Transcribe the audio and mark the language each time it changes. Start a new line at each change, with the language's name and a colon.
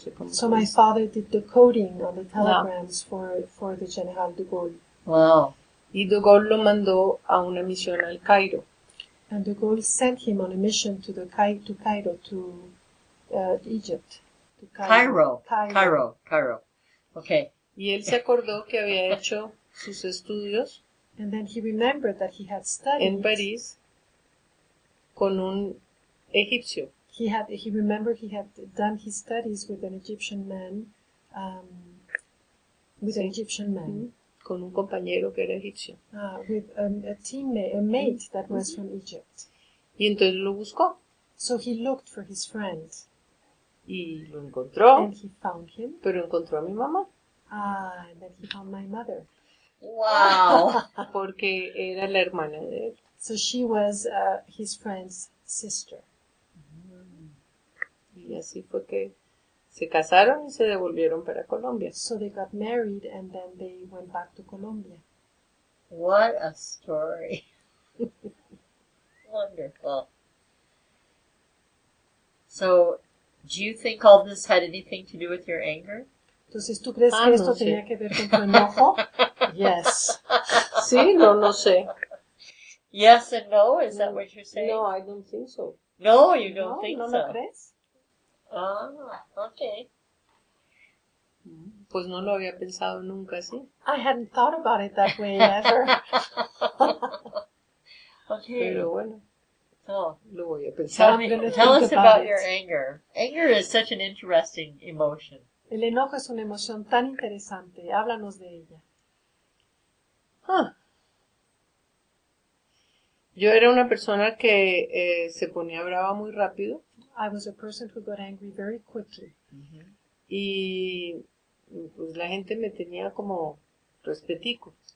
English: So my father did the coding on the telegrams for the general de Gaulle. Wow.
Spanish: Y de Gaulle lo mandó a una misión al Cairo.
English: And de Gaulle sent him on a mission to Cairo, to Egypt. To Cairo. Okay.
Spanish: Y él se acordó que había hecho sus estudios
English: and then he remembered that he had studied
Spanish: en París con un egipcio.
English: He remembered he had done his studies with an Egyptian man. An Egyptian man.
Spanish: Con un compañero que era egipcio.
English: With a teammate, a mate that was from Egypt.
Spanish: Y entonces lo buscó.
English: So he looked for his friend.
Spanish: Y lo encontró.
English: And he found him.
Spanish: Pero encontró a mi mamá.
English: And then he found my mother. Wow.
Spanish: Porque era la hermana de él.
English: So she was his friend's sister.
Spanish: Mm-hmm. Y así fue que se casaron y se devolvieron para Colombia.
English: So they got married and then they went back to Colombia. What a story. Wonderful. So, do you think all this had anything to do with your anger?
Spanish: Entonces, ¿tú crees que esto tenía que ver con tu enojo?
English: Yes.
Spanish: Sí, no sé.
English: Yes and no, is that what you're saying? No, I don't think so. No, you don't
Spanish: no,
English: think
Spanish: no
English: so.
Spanish: No, ¿no crees?
English: Okay.
Spanish: Pues no lo había pensado nunca, ¿sí?
English: I hadn't thought about it that way ever. Okay.
Spanish: Pero bueno.
English: Oh,
Spanish: lo voy a pensar.
English: Tell us about your anger. Anger is such an interesting emotion.
Spanish: El enojo es una emoción tan interesante. Háblanos de ella. Yo era una persona que se ponía brava muy rápido.
English: I was a person who got angry very quickly.
Spanish: Mm-hmm. Y pues la gente me tenía como respetico.